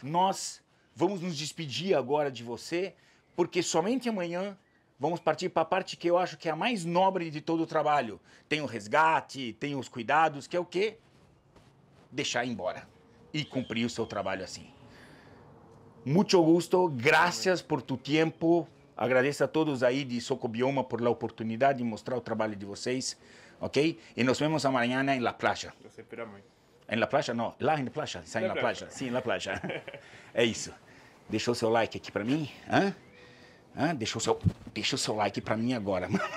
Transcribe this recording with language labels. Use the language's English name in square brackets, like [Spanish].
[Portuguese] Nós vamos nos despedir agora de você. Porque somente amanhã vamos partir para a parte que eu acho que é a mais nobre de todo o trabalho. Tem o resgate, tem os cuidados, que é o quê? Deixar ir embora e cumprir o seu trabalho assim. [Spanish] Mucho gusto, gracias por tu tiempo. [Portuguese] Agradeço a todos aí de Socobioma [Spanish] por la oportunidad [Portuguese] de mostrar o trabalho de vocês, ok? E nos vemos amanhã [Spanish] en la playa. [Portuguese] Nos esperamos. [Spanish] En la playa, no. Lá en la playa. Sai en la playa. Sim, en la playa. [Portuguese] É isso. Deixou seu like aqui para mim, hã? Ah, deixa o seu like pra mim agora.